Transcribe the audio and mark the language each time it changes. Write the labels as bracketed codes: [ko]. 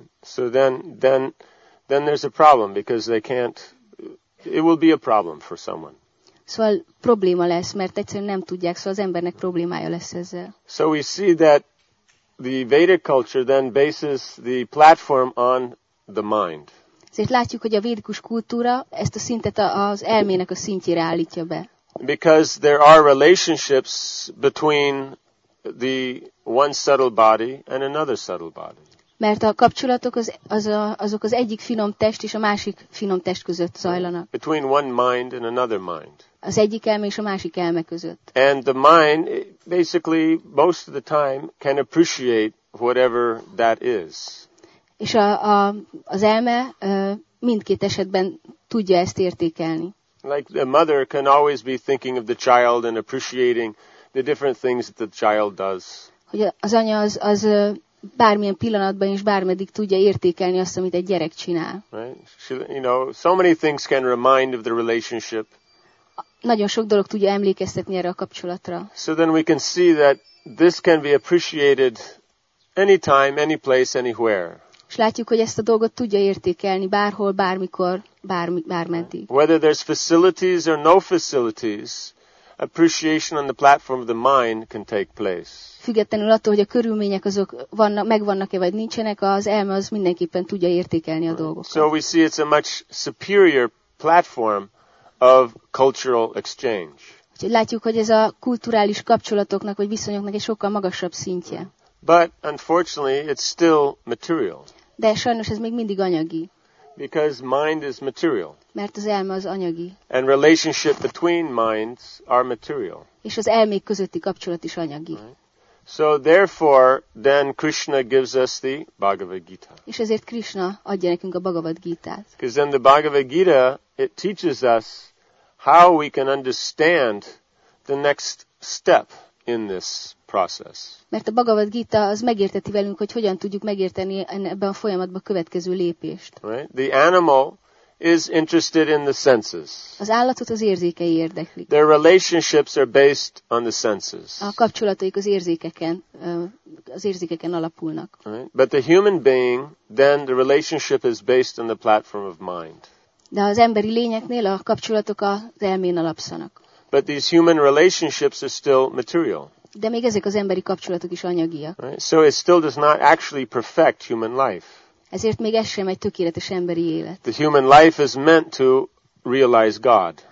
[en] So then there's a problem because they can't. It will be a problem for someone. [hu] Szóval probléma lesz, mert egyszerűen nem tudják, szóval az embernek problémája lesz ezzel. [en] So we see that the Vedic culture then bases the platform on the mind. [hu] Ezért látjuk, hogy a védikus kultúra ezt a szintet az elmének a szintjére állítja be. [en] Because there are relationships between the one subtle body and another subtle body. [hu] Mert a kapcsolatok azok az egyik finom test és a másik finom test között zajlanak. [en] Between one mind and another mind. [hu] Az egyik elme és a másik elme között. [en] And the mind basically most of the time can appreciate whatever that is. [hu] És az elme mindkét esetben tudja ezt értékelni. [en] Like the mother can always be thinking of the child and appreciating the different things that the child does. [hu] Hogy az anya az bármilyen pillanatban is bármeddig tudja értékelni azt, amit egy gyerek csinál. [en] Right? You know, so many things can remind of the relationship. [hu] Nagyon sok dolog tudja emlékeztetni erre a kapcsolatra. [en] So then we can see that this can be appreciated anytime, any place, anywhere. [hu] És látjuk, hogy ezt a dolgot tudja értékelni bárhol, bármikor, bármeddig. [en] Whether there's facilities or no facilities, appreciation on the platform of the mind can take place. [hu] Függetlenül attól, hogy a körülmények azok vannak, megvannak-e vagy nincsenek, az elme az mindenképpen tudja értékelni a dolgokat. [en] So we see it's a much superior platform of cultural exchange. [hu] Úgyhogy látjuk, hogy ez a kulturális kapcsolatoknak vagy viszonyoknak egy sokkal magasabb szintje. [en] But unfortunately, it's still material. [hu] De sajnos ez még mindig anyagi. [en] Because mind is material. [hu] Mert az elme az anyagi. [en] And relationship between minds are material. [hu] És az elmék közötti kapcsolat is anyagi. [en] Right? So therefore, then Krishna gives us the Bhagavad Gita. [hu] És ezért Krishna adja nekünk a Bhagavad Gita-t. [en] Because then the Bhagavad Gita, it teaches us how we can understand the next step in this process. [hu] Mert a Bhagavad Gita az megérteti velünk, hogy hogyan tudjuk megérteni ebben a folyamatban a következő lépést. [en] Right? The animal is interested in the senses. [hu] Az állatot az érzékei érdekli. [en] Their relationships are based on the senses. [hu] A kapcsolataik az érzékeken alapulnak. [en] Right? But the human being, then the relationship is based on the platform of mind. [hu] De az emberi lényeknél a kapcsolatok az elmén alapszanak. [en] But these human relationships are still material. [hu] De még ezek az emberi kapcsolatok is anyagiak. [en] Right? So it still does not actually perfect human life. [hu] Ezért még ez sem egy tökéletes emberi élet. [en] The human life is meant to realize God.